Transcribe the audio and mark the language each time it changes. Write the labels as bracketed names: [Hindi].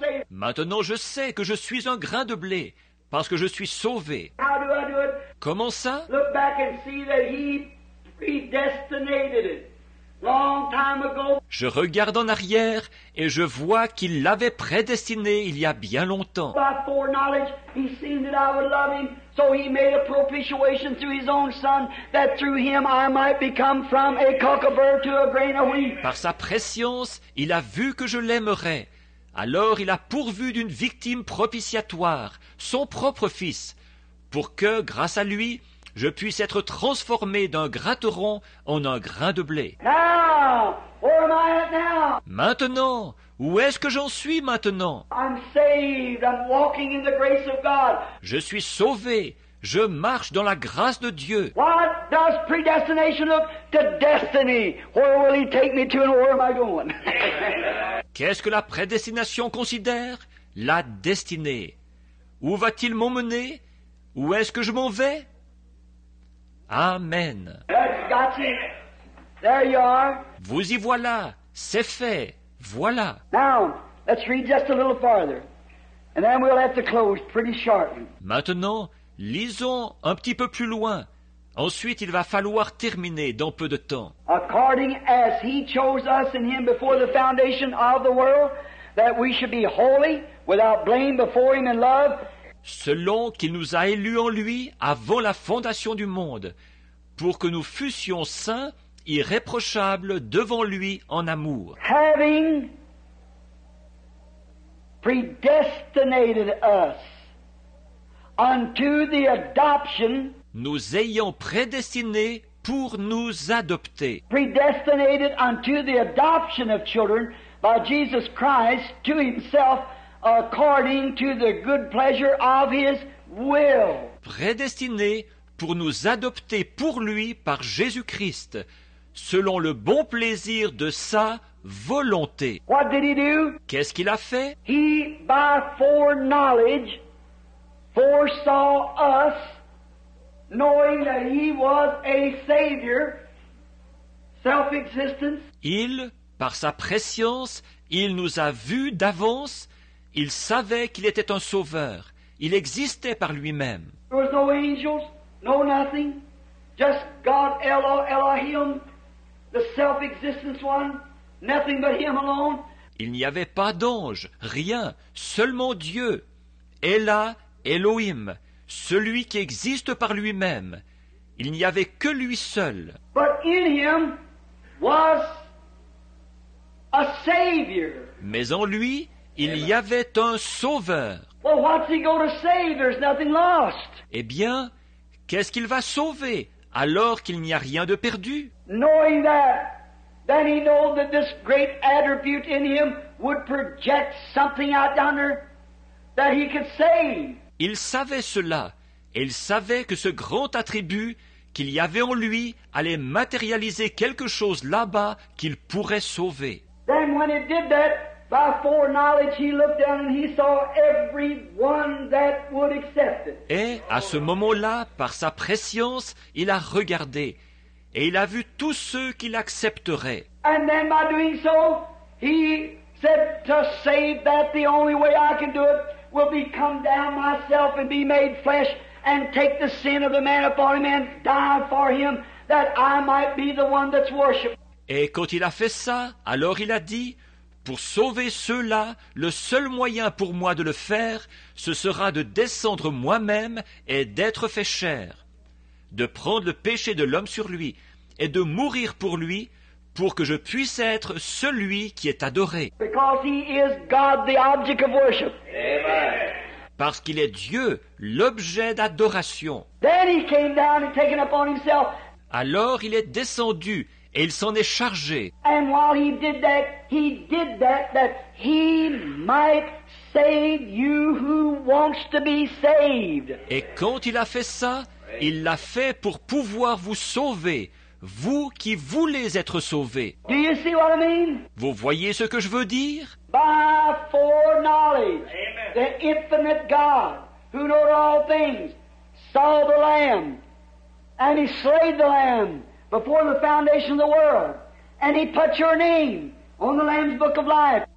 [French] Maintenant je sais que je suis un grain de blé parce que je suis sauvé. [English] How do I do it? [French] Comment ça? [English] Look back and see that he predestinated it long time ago. [French] Je regarde en arrière et je vois qu'il l'avait prédestiné il y a bien longtemps. [English] By foreknowledge, he seen that I would love him. So he made a propitiation through his own son, that through him I might become from a cockleburr to a grain of wheat. [French] Par sa préscience, il a vu que je l'aimerais. Alors il a pourvu d'une victime propitiatoire, son propre fils, pour que, grâce à lui, je puisse être transformé d'un gratteron en un grain de blé. [English] Now, where am I at now? [French] Maintenant, où est-ce que j'en suis maintenant? [English] I'm saved. I'm walking in the grace of God. [French] Je suis sauvé. Je marche dans la grâce de Dieu. [English] What does predestination look to destiny? Where will he take me to and where am I going? [French] Qu'est-ce que la prédestination considère? La destinée. Où va-t-il m'emmener? Où est-ce que je m'en vais? Amen. [English] Got you. There you are. [French] Vous y voilà. C'est fait. Voilà. [English] Now, let's read just a little farther. And then we'll have to close pretty shortly. [French] Maintenant, lisons un petit peu plus loin. Ensuite, il va falloir terminer dans peu de temps. [English] According as he chose us in him before the foundation of the world, that we should be holy, without blame before him in love. [French] Selon qu'il nous a élus en lui avant la fondation du monde, pour que nous fussions saints, irréprochables devant lui en amour. [English] Having predestinated us unto the adoption, [French] nous ayant prédestinés pour nous adopter. [English] Predestinated unto the adoption of children by Jesus Christ to himself, according to the good pleasure of his will. [French] Prédestiné pour nous adopter pour lui par Jésus-Christ, selon le bon plaisir de sa volonté. [English] What did he do? [French] Qu'est-ce qu'il a fait? [English] He, by foreknowledge, foresaw us, knowing that he was a savior, self-existence. [French] Il, par sa préscience, il nous a vus d'avance. Il savait qu'il était un sauveur. Il existait par lui-même. [English] There was no angels, no nothing, just God Elohim, the self-existence one, nothing but him alone. [French] Il n'y avait pas d'ange, rien, seulement Dieu, Ela Elohim, celui qui existe par lui-même. Il n'y avait que lui seul. [English] But in him was a savior. [French] Mais en lui, il y avait un sauveur. [English] Well, what's he going to save? There's nothing lost. [French] Eh bien, qu'est-ce qu'il va sauver alors qu'il n'y a rien de perdu? [English] Knowing that, then he knew that this great attribute in him would project something out on her that he could save. [French] Il savait cela, et il savait que ce grand attribut qu'il y avait en lui allait matérialiser quelque chose là-bas qu'il pourrait sauver. [English] Then when it did that, by foreknowledge, he looked down and he saw every one that would accept it. [French] Et à ce moment-là, par sa préscience, il a regardé et il a vu tous ceux qui l'accepteraient. [English] And then by doing so, he said, to save that, the only way I can do it will be come down myself and be made flesh and take the sin of the man upon him and die for him, that I might be the one that's worshipped. [French] Et quand il a fait ça, alors il a dit, pour sauver ceux-là, le seul moyen pour moi de le faire, ce sera de descendre moi-même et d'être fait chair, de prendre le péché de l'homme sur lui et de mourir pour lui, pour que je puisse être celui qui est adoré. [English] Because he is God, the object of worship. Amen. [French] Parce qu'il est Dieu, l'objet d'adoration. [English] Then he came down and taken upon himself. [French] Alors il est descendu et il s'en est chargé. [English] And while he did that, he did that, that he might save you who wants to be saved. [French] Et quand il a fait ça, il l'a fait pour pouvoir vous sauver, vous qui voulez être sauvés. [English] Do you see what I mean? [French] Vous voyez ce que je veux dire? [English] By foreknowledge, Amen. The infinite God, who knows all things, saw the Lamb, and he slayed the Lamb before the foundation of the world, and he put your name on the Lamb's book of life.